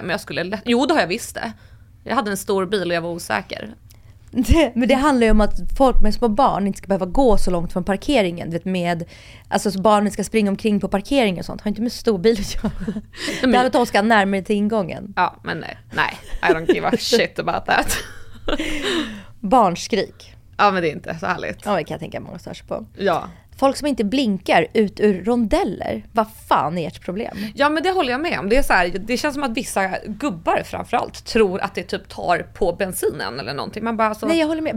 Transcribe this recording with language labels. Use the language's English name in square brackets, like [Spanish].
[Swedish] Men jag skulle Jo, det har jag visst det. Jag hade en stor bil och jag var osäker. Men det handlar ju om att folk med små barn inte ska behöva gå så långt från parkeringen. Du vet, med, alltså så barnen ska springa omkring på parkeringen och sånt. Har inte med stor bil att göra. Det här att de ska närmare till ingången. Ja, men nej. [English] I don't give a shit about that. [Swedish] Barnskrik. Ja, men det är inte så härligt. Ja, det kan jag tänka många stör sig på. Ja. Folk som inte blinkar ut ur rondeller. Vad fan är ert problem? Ja, men det håller jag med om. Det är så här, det känns som att vissa gubbar framförallt tror att det typ tar på bensinen eller någonting. Man bara så... Nej, jag håller med.